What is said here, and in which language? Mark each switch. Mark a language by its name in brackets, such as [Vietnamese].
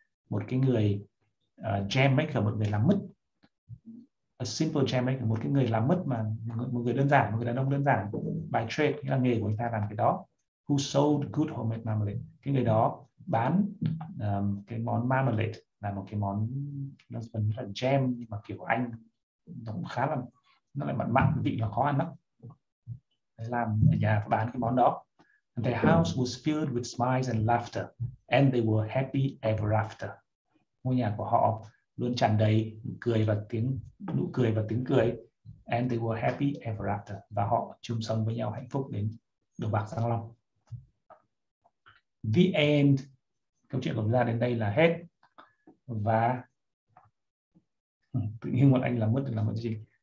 [Vietnamese] Một cái người jam maker, một người làm mứt. [English] A simple jam maker, [Vietnamese] một cái người làm mứt mà một người đơn giản, một người đàn ông đơn giản [English] by trade, [Vietnamese] nghĩa là nghề của người ta làm cái đó. [English] Who sold good homemade marmalade. [Vietnamese] Cái người đó bán cái món marmalade, là một cái món nó vẫn là jam nhưng mà kiểu Anh, nó cũng khá là, nó lại mặn mặn, vị nó khó ăn lắm. Làm ở nhà bán cái món đó. [English] And their house was filled with smiles and laughter, and they were happy ever after. [Vietnamese] Ngôi nhà của họ luôn tràn đầy cười và tiếng nụ cười và tiếng cười, [English] and they were happy ever after. [Vietnamese] Và họ chung sống với nhau hạnh phúc đến đầu bạc răng long. [English] The end. [Vietnamese] Câu chuyện của chúng ta đến đây là hết. Và tự nhiên một anh làm mất được làm gì.